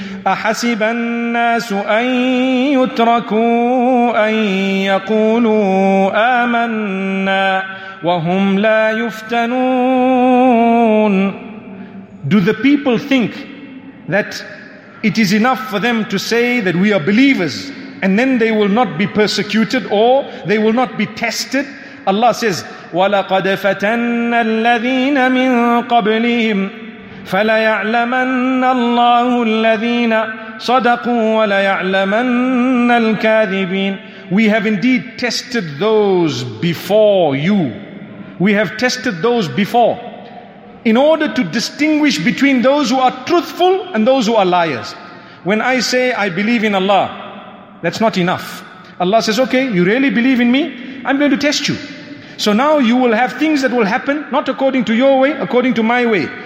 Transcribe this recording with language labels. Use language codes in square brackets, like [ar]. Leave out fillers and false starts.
[ar] أحسب الناس أن يتركوا أن يقولوا آمنا وهم لا يفتنون. [en] Do the people think that it is enough for them to say that we are believers and then they will not be persecuted or they will not be tested? Allah says, [ar] وَلَقَدْ فَتَنَّ الَّذِينَ مِنْ قَبْلِهِمْ فَلَيَعْلَمَنَّ اللَّهُ الَّذِينَ صَدَقُوا وَلَيَعْلَمَنَّ الْكَاذِبِينَ. [en] We have indeed tested those before you. We have tested those before, in order to distinguish between those who are truthful and those who are liars. When I say I believe in Allah, that's not enough. Allah says, okay, you really believe in me? I'm going to test you. So now you will have things that will happen, not according to your way, according to my way.